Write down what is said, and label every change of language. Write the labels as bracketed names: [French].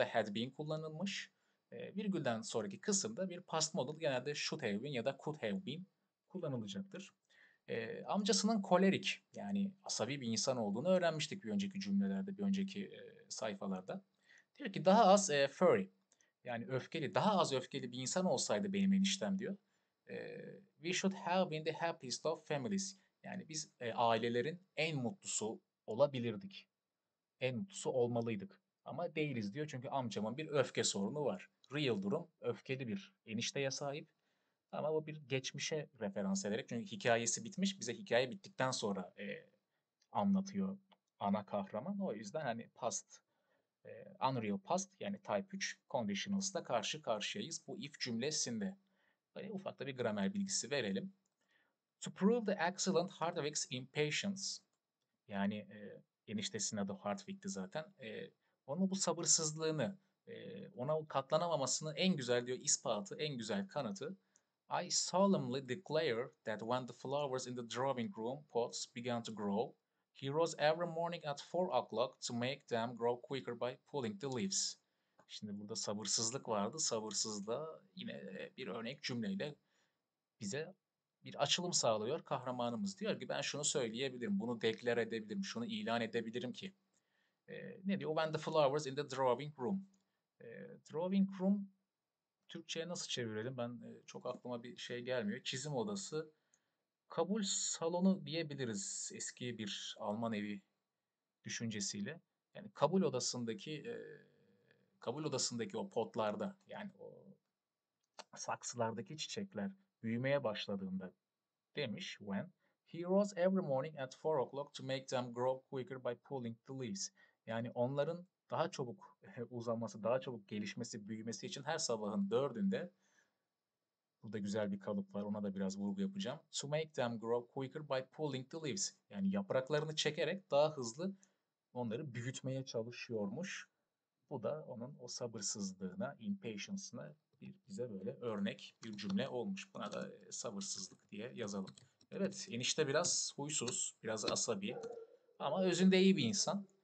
[Turkish] Burada [English] had been [Turkish] kullanılmış. Virgülden sonraki kısımda bir past modal genelde [English] should have been [Turkish] ya da [English] could have been [Turkish] kullanılacaktır. Amcasının kolerik yani asabi bir insan olduğunu öğrenmiştik bir önceki cümlelerde, bir önceki sayfalarda. Diyor ki daha az furry yani öfkeli, daha az öfkeli bir insan olsaydı benim eniştem diyor. [English] We should have been the happiest of families. [Turkish] Yani biz ailelerin en mutlusu olabilirdik. En mutlusu olmalıydık. Ama değiliz diyor çünkü amcamın bir öfke sorunu var. Real durum öfkeli bir enişteye sahip. Ama bu bir geçmişe referans ederek çünkü hikayesi bitmiş. Bize hikaye bittikten sonra anlatıyor ana kahraman. O yüzden hani past, [English] unreal past [Turkish] yani type 3 conditionals da karşı karşıyayız. Bu if cümlesinde ufak da bir gramer bilgisi verelim. [English] To prove the excellent Hardwick's impatience. [Turkish] Yani eniştesinin adı Hardwick'ti zaten. Onun bu sabırsızlığını, ona katlanamamasını en güzel diyor ispatı, en güzel kanıtı. [English] I solemnly declare that when the flowers in the drawing room pots began to grow, he rose every morning at 4 o'clock to make them grow quicker by pulling the leaves. [Turkish] Şimdi burada sabırsızlık vardı. Sabırsızlığa yine bir örnek cümleyle bize bir açılım sağlıyor kahramanımız. Diyor ki ben şunu söyleyebilirim, bunu deklar edebilirim, şunu ilan edebilirim ki. Ne diyor? [English] When the flowers in the drawing room. [Turkish] Drawing room Türkçe'ye nasıl çevirelim? Ben çok aklıma bir şey gelmiyor. Çizim odası, kabul salonu diyebiliriz eski bir Alman evi düşüncesiyle. Yani kabul odasındaki o potlarda, yani o saksılardaki çiçekler büyümeye başladığında demiş. [English] When he rose every morning at 4 o'clock to make them grow quicker by pulling the leaves. [Turkish] Yani onların daha çabuk uzaması, daha çabuk gelişmesi, büyümesi için her sabahın dördünde burada güzel bir kalıp var. Ona da biraz vurgu yapacağım. [English] To make them grow quicker by pulling the leaves. [Turkish] Yani yapraklarını çekerek daha hızlı onları büyütmeye çalışıyormuş. Bu da onun o sabırsızlığına, impatience'ına bize böyle örnek bir cümle olmuş. Buna da sabırsızlık diye yazalım. Evet, enişte biraz huysuz, biraz asabi ama özünde iyi bir insan.